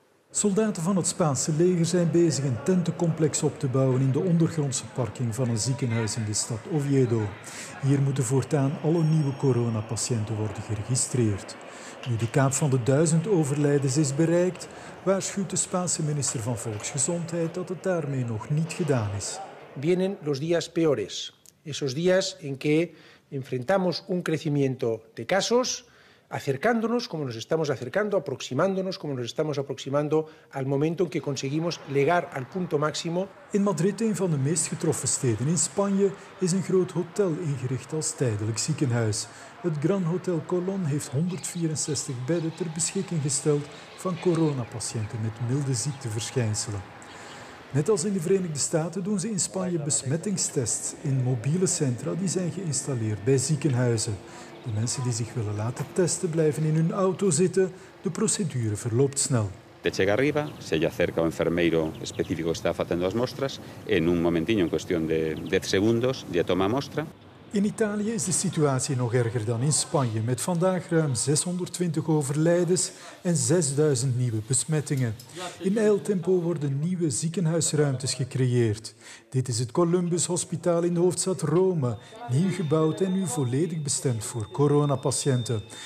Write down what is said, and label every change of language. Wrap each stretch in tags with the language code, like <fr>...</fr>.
<nl>Soldaten van het Spaanse leger zijn bezig een tentencomplex op te bouwen in de ondergrondse parking van een ziekenhuis in de stad Oviedo. Hier moeten voortaan alle nieuwe coronapatiënten worden geregistreerd. Nu de kaap van de 1000 overlijdens is bereikt, waarschuwt de Spaanse minister van Volksgezondheid dat het daarmee nog niet gedaan is.</nl> <es>Vienen los días peores. Esos días en que enfrentamos un crecimiento de casos. Acercándonos, como nos estamos acercando, aproximándonos, como nos estamos aproximando al momento en que conseguimos llegar al punto máximo.</es> <nl>In Madrid, een van de meest getroffen steden in Spanje, is een groot hotel ingericht als tijdelijk ziekenhuis. Het Gran Hotel Colón heeft 164 bedden ter beschikking gesteld van coronapatiënten met milde ziekteverschijnselen. Net als in de Verenigde Staten doen ze in Spanje besmettingstests in mobiele centra die zijn geïnstalleerd bij ziekenhuizen. De mensen die zich willen laten testen blijven in hun auto zitten. De procedure verloopt snel.</nl> <es>Te llega arriba, se ya acerca un enfermero específico que está haciendo las muestras. En un momentinho, en cuestión de 10 segundos, ya toma muestra.</es> <nl>In Italië is de situatie nog erger dan in Spanje, met vandaag ruim 620 overlijdens en 6000 nieuwe besmettingen. In ijltempo worden nieuwe ziekenhuisruimtes gecreëerd. Dit is het Columbus Hospital in de hoofdstad Rome, nieuw gebouwd en nu volledig bestemd voor coronapatiënten.</nl>